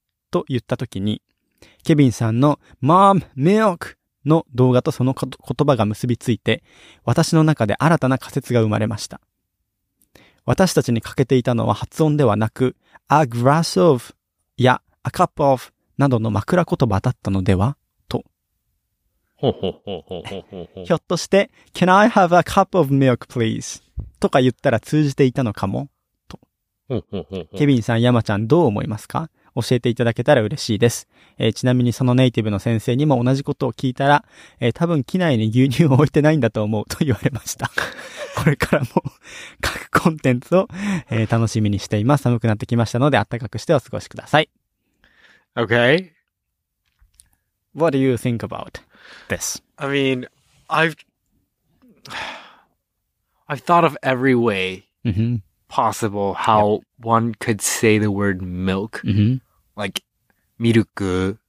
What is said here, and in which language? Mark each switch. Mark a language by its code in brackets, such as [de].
[ja] と言ったときに、ケビンさんの [en] Mom, milk! [ja] の動画とその言葉が結びついて、私の中で新たな仮説が生まれました。私たちに欠けていたのは発音ではなく、 [en] A glass of [ja] や [en] A cup of [ja] などの枕言葉だったのではと。ひょっとして、 [en] Can I have a cup of milk, please? [ja] とか言ったら通じていたのかも、と。ケビンさん、山ちゃん、どう思いますか？教えていただけたら嬉しいです。ちなみにそのネイティブの先生にも同じことを聞いたら、多分機内に牛乳を置いてないんだと思うと言われました。これからも各コンテンツを、楽しみにしています。寒くなってきましたので暖かくしてお過ごしください。 [en] Okay. What do you think about this? I mean, I've thought of every way. Mm-hmm. Possible how yep. one could say the word milk,、 mm-hmm. like miruku.